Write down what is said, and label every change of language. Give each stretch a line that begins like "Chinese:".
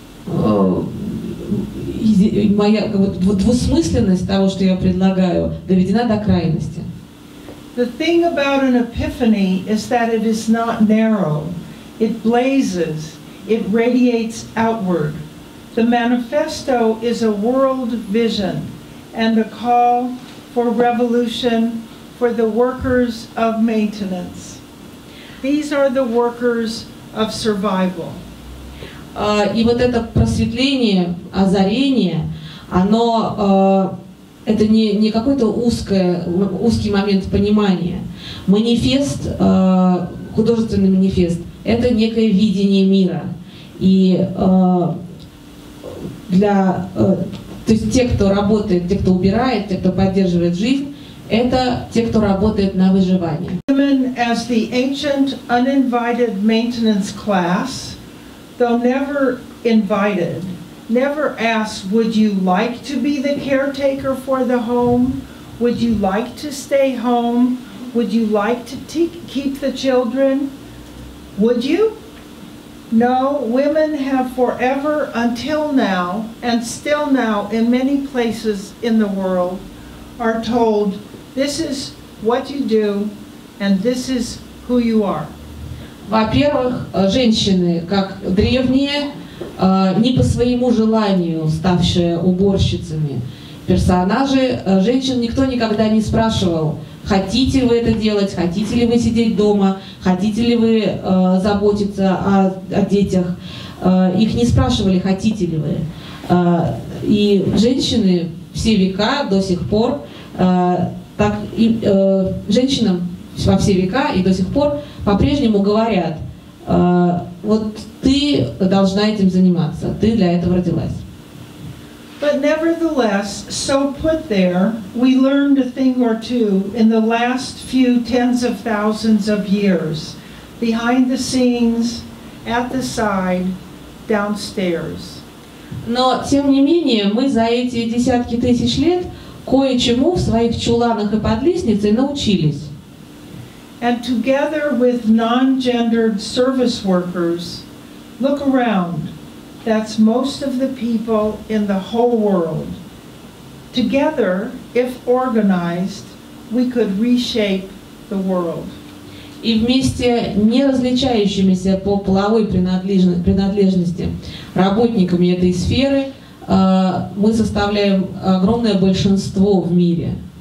Russian: Моя двусмысленность того, что я предлагаю, доведена до крайности.
English: The thing about an epiphany is that it is not narrow. It blazes. It radiates outward. The manifesto is a world vision and a call for revolution for the workers of maintenance. These are the workers of survival.
Russian: И вот это просветление, озарение, оно это не какой-то узкий момент понимания. Манифест, художественный манифест, это некое видение мира. И то есть те, кто работает, те, кто убирает, те, кто поддерживает жизнь, это те, кто работает на выживание.
English: As the ancient uninvited maintenance class, though never invited, never asked, would you like to be the caretaker for the home? Would you like to stay home? Would you like to keep the children? Would you? No, women have forever, until now, and still now in many places in the world, are told, this is what you do, and this is who you are.
Russian: Во-первых, женщины, как древние, не по своему желанию ставшие уборщицами персонажи, женщин никто никогда не спрашивал, хотите вы это делать, хотите ли вы сидеть дома, хотите ли вы заботиться о детях. Их не спрашивали, хотите ли вы. И женщины все века до сих пор, так и женщинам во все века и до сих пор по-прежнему говорят, вот ты должна этим заниматься, ты для этого родилась.
English: But nevertheless, so put there, we learned a thing or two in the last few tens of thousands of years, behind the scenes, at the side, downstairs.
Russian: Но, тем не менее, мы за эти десятки тысяч лет кое-чему в своих чуланах и под лестницей научились.
English: And together with non-gendered service workers, look around, that's most of the people in the whole world. Together, if organized, we could reshape the world.
Russian: И вместе не различающимися по половой принадлежности работниками этой сферы, мы составляем огромное большинство в мире.